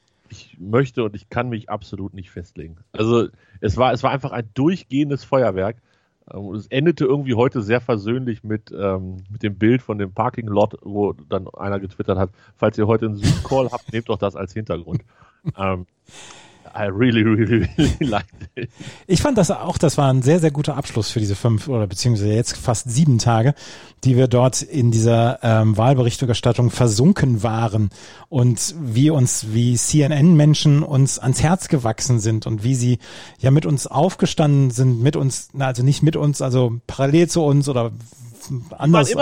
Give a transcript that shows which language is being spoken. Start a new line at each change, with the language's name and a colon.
German: Ich möchte und ich kann mich absolut nicht festlegen. Also es war einfach ein durchgehendes Feuerwerk. Es endete irgendwie heute sehr versöhnlich mit dem Bild von dem Parking Lot, wo dann einer getwittert hat, falls ihr heute einen Zoom-Call habt, nehmt doch das als Hintergrund.
English: I really, really, really liked it.
German: Ich fand das auch, das war ein sehr, sehr guter Abschluss für diese 5 oder beziehungsweise jetzt fast 7 Tage, die wir dort in dieser Wahlberichterstattung versunken waren und wie CNN-Menschen uns ans Herz gewachsen sind und wie sie ja mit uns aufgestanden sind, mit uns, also nicht mit uns, also parallel zu uns oder anders.